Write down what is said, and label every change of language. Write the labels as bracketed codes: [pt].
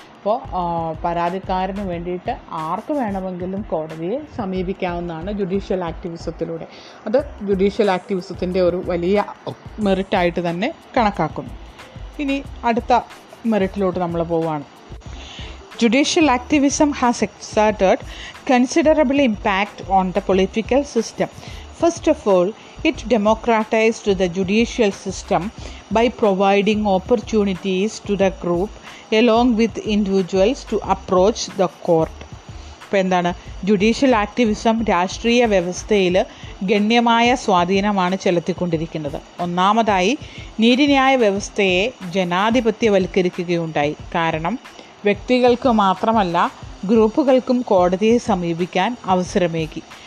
[ml] അപ്പോൾ പരാതിക്കാരന് വേണ്ടിയിട്ട് ആർക്ക് വേണമെങ്കിലും കോടതിയെ സമീപിക്കാവുന്നതാണ് ജുഡീഷ്യൽ ആക്ടിവിസത്തിലൂടെ. അത് ജുഡീഷ്യൽ ആക്ടിവിസത്തിൻ്റെ ഒരു വലിയ മെറിറ്റായിട്ട് തന്നെ കണക്കാക്കുന്നു. ഇനി അടുത്ത മെറിറ്റിലോട്ട് നമ്മൾ പോവുകയാണ്. [en] Judicial activism has exerted considerable impact on the political system. First of all, it democratized the judicial system by providing opportunities to the group along with individuals to approach the court. [ml] ഇപ്പോൾ എന്താണ്, judicial activism രാഷ്ട്രീയ വ്യവസ്ഥയിൽ ഗണ്യമായ സ്വാധീനമാണ് ചെലുത്തിക്കൊണ്ടിരിക്കുന്നത്. ഒന്നാമതായി, നീതിന്യായ വ്യവസ്ഥയെ ജനാധിപത്യവൽക്കരിക്കുകയുണ്ടായി. കാരണം വ്യക്തികൾക്ക് മാത്രമല്ല ഗ്രൂപ്പുകൾക്കും കോടതിയെ സമീപിക്കാൻ അവസരമേകി.